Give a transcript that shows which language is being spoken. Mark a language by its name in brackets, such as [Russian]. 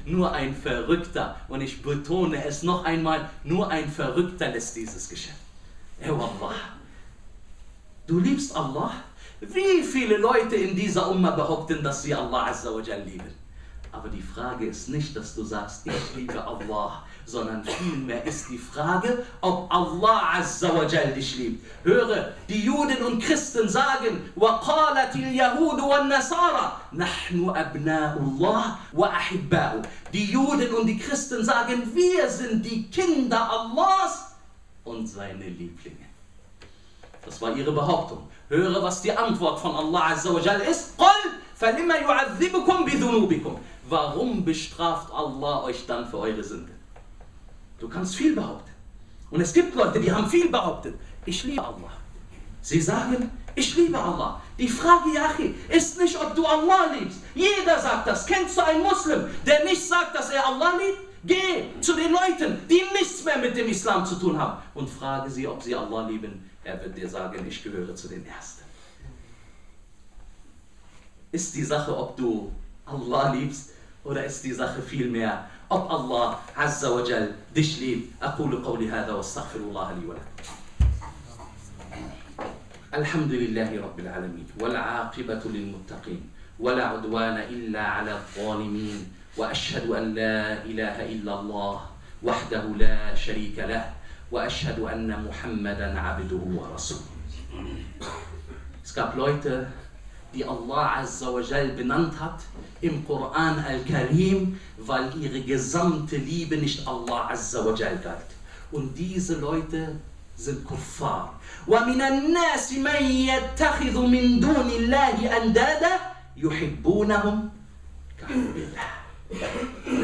[German] Nur ein Verrückter, und ich betone es noch einmal, nur ein Verrückter lässt dieses Geschäft. Ey Wallah. Du liebst Allah? Wie viele Leute in dieser Umma behaupten, dass sie Allah Azza wa Jal lieben? Aber die Frage ist nicht, dass du sagst, ich liebe Allah, sondern vielmehr ist die Frage, ob Allah Azza wa Jal dich liebt. Höre, die Juden und Christen sagen, [Arabic] وَقَالَتِ الْيَهُودُ وَالنَّسَارَ نَحْنُ أَبْنَاءُ اللَّهِ وَأَحِبَّاءُ. [German] Die Juden und die Christen sagen, wir sind die Kinder Allahs und seine Lieblinge. Das war ihre Behauptung. Höre, was die Antwort von Allah Azza wa Jalla ist. [Arabic] قُلْ فَلِمَّ يُعَذِّبُكُمْ بِذُنُوبِكُمْ. [German] Warum bestraft Allah euch dann für eure Sünde? Du kannst viel behaupten. Und es gibt Leute, die haben viel behauptet. Ich liebe Allah. Sie sagen, ich liebe Allah. Die Frage, ja, ist nicht, ob du Allah liebst. Jeder sagt das. Kennst du einen Muslim, der nicht sagt, dass er Allah liebt? Geh zu den Leuten, die nichts mehr mit dem Islam zu tun haben. Und frage sie, ob sie Allah lieben. Er wird dir sagen, ich gehöre zu den Ersten. Ist die Sache, ob du Allah liebst, oder ist die Sache vielmehr, ob Allah Azza wa Jal dich liebt? [Arabic] Aqulu qawli hadha wa astaghfirullah li wa lakum. الحمد لله رب العالمين والعاقبة للمتقين ولا عدوان إلا على الظالمين وأشهد أن لا إله إلا الله وحده لا شريك له وأشهد أن محمدا عبده ورسوله. [German] Es gab Leute, die Allah Azza wa Jal benannt hat im Koran al-Karim, weil ihre gesamte Liebe nicht Allah Azza wa Jal galt. Und diese Leute sind Kuffar. [Arabic] وَمِنَ النَّاسِ مَنْ يَتَّخِذُ مِنْ دُونِ اللَّهِ أَنْدَادًا يُحِبُّونَهُمْ كَحُبِّ اللَّهِ.